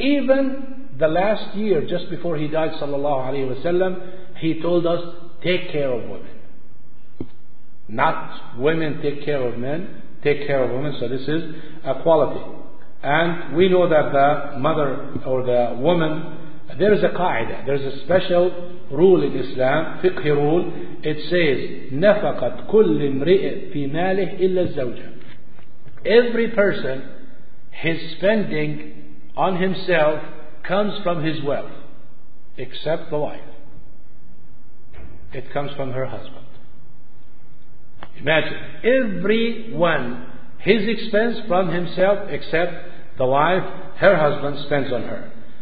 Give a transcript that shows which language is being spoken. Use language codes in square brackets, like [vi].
[en] Even the last year, just before he died sallallahu alayhi wa sallam, he told us, take care of women. Not women take care of men, take care of women. So this is a quality. And we know that the mother or the woman, there is a qaida, there is a special rule in Islam, fiqh rule. [ar] It says, نَفَقَتْ كُلِّ امْرِئِ فِي مَالِهِ إِلَّا الزَّوْجَ. [en] Every person, his spending on himself comes from his wealth, except the wife. It comes from her husband. Imagine, everyone, his expense from himself, except the wife, her husband spends on her.